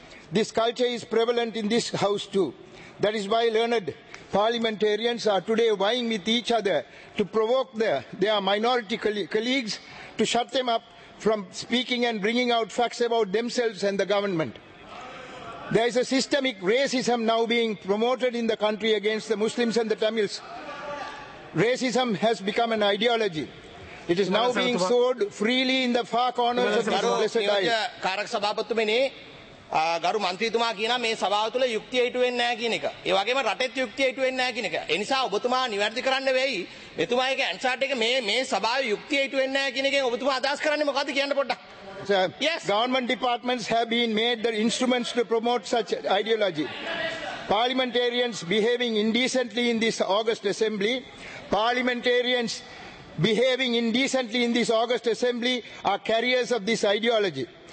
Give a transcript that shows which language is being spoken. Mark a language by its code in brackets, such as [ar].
[en] This culture is prevalent in this house too. That is why learned parliamentarians are today vying with each other to provoke their minority colleagues to shut them up from speaking and bringing out facts about themselves and the government. There is a systemic racism now being promoted in the country against the Muslims and the Tamils. Racism has become an ideology. It is now being sowed freely in the far corners of our blessed eyes. [si] ගරු මන්ත්‍රීතුමා කියනවා මේ සභාව තුළ යුක්තිය ඊට වෙන්නේ නැහැ කියන එක. ඒ වගේම රටෙත් යුක්තිය ඊට වෙන්නේ නැහැ කියන එක. ඒ නිසා ඔබතුමා නිවැරදි කරන්න වෙයි. මෙතුමා එක ඇන්සර්ට් එක මේ සභාවේ යුක්තිය ඊට වෙන්නේ නැහැ කියන එකෙන් ඔබතුමා අදහස් කරන්නේ මොකද්ද කියන්න පොඩ්ඩක්. [en] Yes. Government departments have been made the instruments to promote such ideology. Parliamentarians behaving indecently in this August assembly. Parliamentarians behaving indecently in this August assembly are carriers of this ideology.